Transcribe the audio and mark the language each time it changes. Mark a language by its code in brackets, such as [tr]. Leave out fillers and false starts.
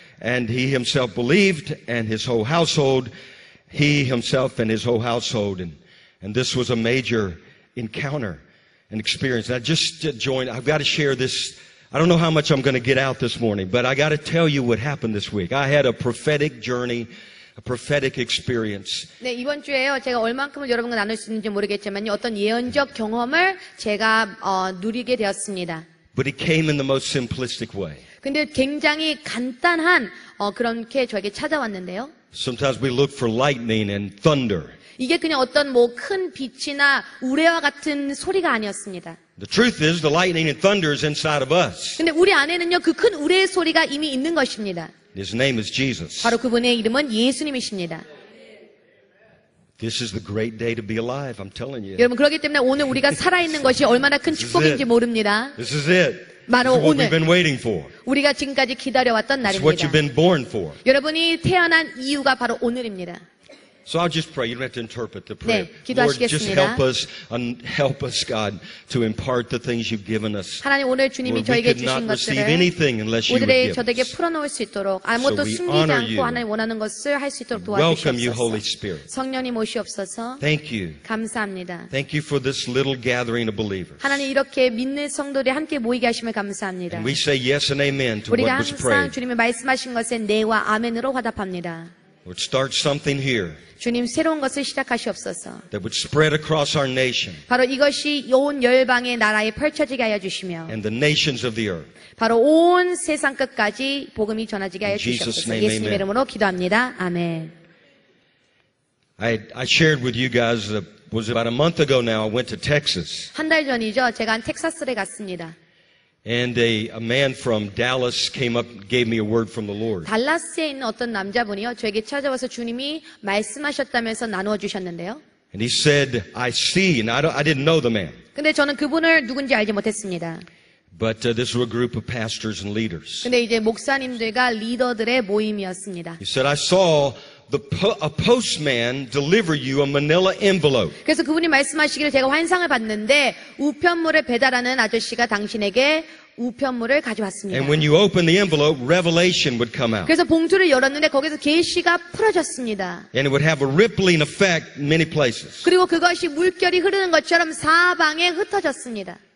[en] And he himself believed, and his whole household, he himself and his whole household. And this was a major encounter and experience. And I just joined. I've got to share this. I don't know how much I'm going to get out this morning, but I got to tell you what happened this week. I had a prophetic journey, a prophetic experience. [ko] 네, 이번 주에요. 제가 얼만큼을 여러분과 나눌 수 있는지 모르겠지만요. 어떤 예언적 경험을 제가 누리게 되었습니다. [en] But it came in the most simplistic way. [ko] 근데 굉장히 간단한 그렇게 저에게 찾아왔는데요. [en] Sometimes we look for lightning and thunder. [ko] 이게 그냥 어떤 뭐 큰 빛이나 우레와 같은 소리가 아니었습니다. [en] The truth is the lightning and thunder is inside of us. [ko] 근데 우리 안에는요 그 큰 우레의 소리가 이미 있는 것입니다. [en] His name is Jesus. [ko] 바로 그분의 이름은 예수님이십니다. [en] This is the great day to be alive. I'm telling you. [ko] 여러분 그렇기 때문에 오늘 우리가 살아 있는 것이 얼마나 큰 축복인지 모릅니다. [en] This is it. [ko] 바로 [en] This is [ko] 오늘 [en] what we've been waiting for. [ko] 우리가 지금까지 기다려왔던 [en] This [ko] 날입니다. [en] What you've been born for. [ko] 여러분이 태어난 이유가 바로 오늘입니다. [en] So I'll just pray. You don't have to interpret the prayer. [ko] 네, 기도하시겠습니다. [en] Lord, just help us, God, to impart the things you've given us. [ko] 하나님 오늘 주님이 저에게 [en] we could [ko] 주신 [en] not [ko] 것들을 [en] receive anything unless you [ko] 오늘의 저에게 풀어놓을 수 있도록 아무것도 [en] so [ko] 숨기지 않고 하나님 원하는 것을 할 수 있도록 도와주시옵소서. [en] Welcome you, Holy Spirit. [ko] 성령님 오시옵소서. [en] Thank you. [ko] 감사합니다. [en] Thank you for this little gathering of believers. [ko] 하나님 이렇게 믿는 성도들이 함께 모이게 하심을 감사합니다. [en] And we say yes and amen to what was prayed. [ko] 우리가 항상 주님이 말씀하신 것에 네와 아멘으로 화답합니다. [en] Would start something here. [ko] 주님 새로운 것을 시작하시옵소서. [en] That would spread across our nation. [ko] 바로 이것이 온 열방의 나라에 펼쳐지게 하여 주시며. [en] And the nations of the earth. [ko] 바로 온 세상 끝까지 복음이 전하지게 하여 주시옵소서. 예수님 이름으로 기도합니다. 아멘. [en] I shared with you guys was about a month ago now. I went to Texas. [ko] 한 달 전이죠. 제가 텍사스에 갔습니다. [en] And a man from Dallas came up, gave me a word from the Lord. [ko] 달라스에 있는 어떤 남자분이요, 저에게 찾아와서 주님이 말씀하셨다면서 나누어 주셨는데요. [en] And he said, "I see," and I didn't know the man. [ko] 근데 저는 그분을 누군지 알지 못했습니다. [en] But this was a group of pastors and leaders. [ko] 근데 이제 목사님들과 리더들의 모임이었습니다. [en] He said, "I saw." A postman deliver you a manila envelope. [ko] 그래서 그분이 말씀하시기를 제가 환상을 봤는데 우편물을 배달하는 아저씨가 당신에게 우편물을 가져왔습니다. [en] And when you open the envelope, revelation would come out. [ko] 그래서 봉투를 열었는데 거기서 계시가 풀어졌습니다. [en] And it would have a rippling effect many places. [ko] 그리고 그것이 물결이 흐르는 것처럼 사방에 흩어졌습니다.